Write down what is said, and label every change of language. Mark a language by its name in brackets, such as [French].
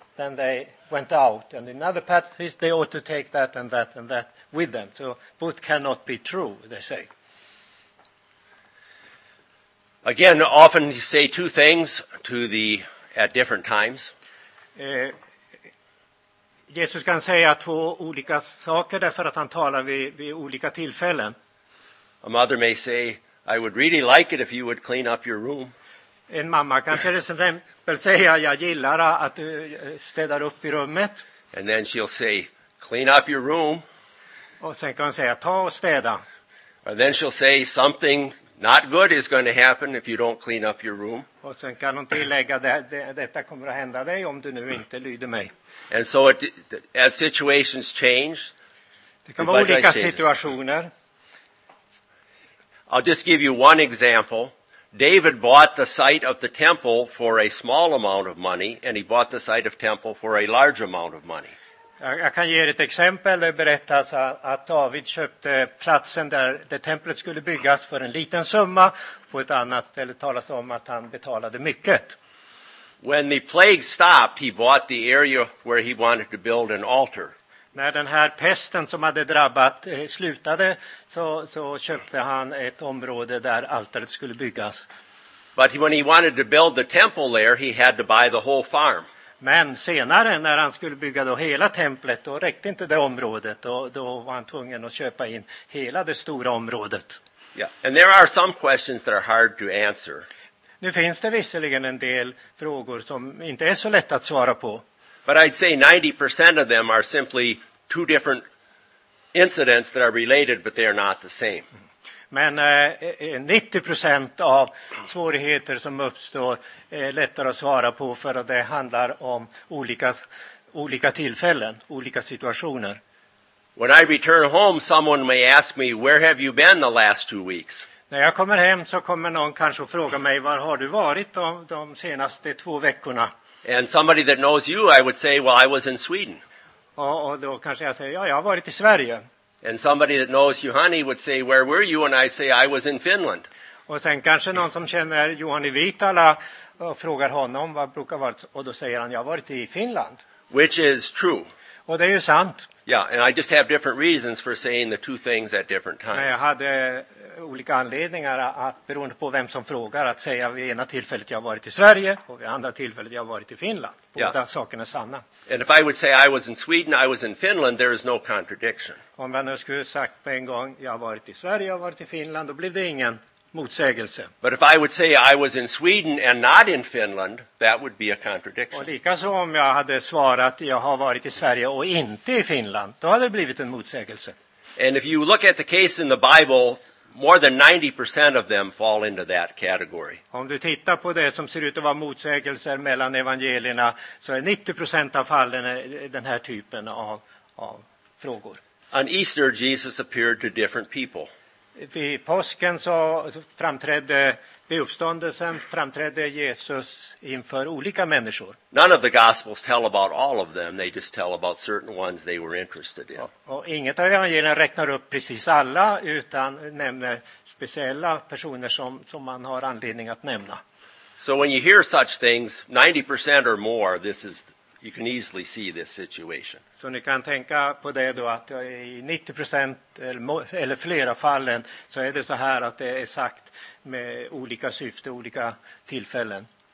[English] Then they went out. And in another passage they ought to take that and that and that with them. So both cannot be true, they say. Again, often you say two things at different times. [Swedish] Jesus kan säga två olika saker därför att han talar vid olika tillfällen. [English] A mother may say, I would really like it if you would clean up your room. [Swedish] En mamma kan till exempel säga, jag gillar att du städar upp i rummet. [English] And then she'll say, clean up your room. [Swedish] Och sen kan hon säga, ta och städa. [English] And then she'll say, something not good is going to happen if you don't clean up your room. [Swedish] Och sen kan hon tillägga, detta kommer att hända dig om du nu inte lyder mig. [English] And so as situations change, [Swedish] det kan vara olika situationer. [English] I'll just give you one example. David bought the site of the temple for a small amount of money, and he bought the site of temple for a large amount of money. [Swedish] Jag kan ge ett exempel. Det berättas att David köpte platsen där det templet skulle byggas för en liten summa. På ett annat ställe talas om att han betalade mycket. [English] When the plague stopped, he bought the area where he wanted to build an altar. [Swedish] När den här pesten som hade drabbat slutade, så köpte han ett område där altaret skulle byggas. [English] But when he wanted to build the temple there, he had to buy the whole farm. [Swedish] Men senare när han skulle bygga då hela templet, då räckte inte det området, och då var han tvungen att köpa in hela det stora området. [English] Yeah, and there are some questions that are hard to answer. [Swedish] Nu finns det visserligen en del frågor som inte är så lätt att svara på. [English] But I'd say 90% of them are simply two different incidents that are related, but they are not the same. [Swedish] Men 90% av svårigheter som uppstår är lättare att svara på, för att det handlar om olika tillfällen, olika situationer. [English] When I return home, someone may ask me, where have you been the last 2 weeks? [Swedish] När jag kommer hem så kommer någon kanske fråga mig, var har du varit de senaste 2 veckorna? [English] And somebody that knows you, I would say, well, I was in Sweden. [Swedish] Och då kanske jag säger, ja, jag har varit i Sverige. [English] And somebody that knows Johanni would say, where were you? And I'd say, I was in Finland. [Swedish] Och sen kanske någon som känner Johanni Vitala och frågar honom, vad brukar vara? Och då säger han, jag har varit i Finland. [English] Which is true. [Swedish] Och det är ju sant. [English] Yeah, and I just have different reasons for saying the two things at different times. [Swedish] Jag hade olika anledningar att, beroende på vem som frågar, att säga vid ena tillfället jag har varit i Sverige och vid andra tillfället jag har varit i Finland. Båda yeah. sakerna är sanna. [English] And if I would say I was in Sweden, I was in Finland, there is no contradiction. [Swedish] Om jag nu skulle sagt på en gång, jag har varit i Sverige, jag har varit i Finland, då blev det ingen motsägelse. [English] But if I would say I was in Sweden and not in Finland, that would be a contradiction. [Swedish] Och likaså om jag hade svarat jag har varit i Sverige och inte i Finland, då hade det blivit en motsägelse. [English] And if you look at the case in the Bible, more than 90% of them fall into that category. [Swedish] Om du tittar på det som ser ut att vara motsägelser mellan evangelierna, så är 90% av fallen den här typen av frågor. [English] On Easter Jesus appeared to different people. [Swedish] Vid påsken så framträdde, vid uppståndelsen framträdde Jesus inför olika människor. [English] None of the gospels tell about all of them, they just tell about certain ones they were interested in. [Swedish] Och inget av evangelierna räknar upp precis alla, utan nämner speciella personer som man har anledning att nämna. [English] So when you hear such things, 90% or more, this is, you can easily see this situation. [Swedish] Så ni kan tänka på det då, att i 90% eller flera fallen så är det så här, att det är sagt med olika syfte, olika tillfällen.